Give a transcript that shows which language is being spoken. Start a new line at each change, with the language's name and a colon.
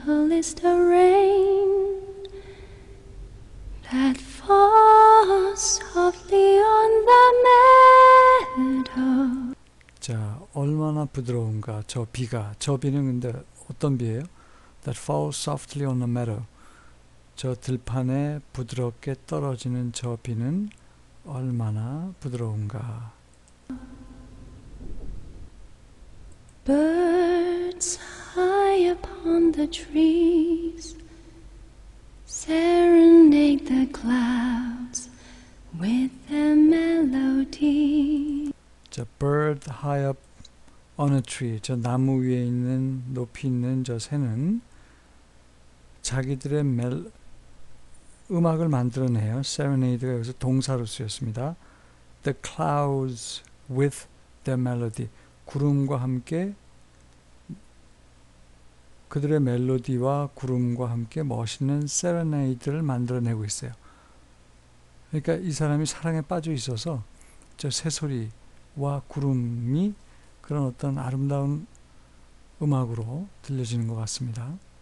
English: Is the rain that falls softly on the meadow?
Korean: 자, 얼마나 부드러운가, 저 비가. 저 비는 근데 어떤 비예요?
English: That falls softly on the meadow.
Korean: 저 들판에 부드럽게 떨어지는 저 비는 얼마나 부드러운가.
English: Birds high upon the trees serenade the clouds with their melody. The bird high up on a tree.
Korean: 저 나무 위에 있는 높이 있는 저 새는 자기들의 음악을 만들어내요. Serenade가 여기서 동사로 쓰였습니다.
English: The clouds with their melody.
Korean: 구름과 함께 그들의 멜로디와 구름과 함께 멋있는 세레나이드를 만들어내고 있어요. 그러니까 이 사람이 사랑에 빠져 있어서 저 새소리 와 구름이 그런 어떤 아름다운 음악으로 들려지는 것 같습니다.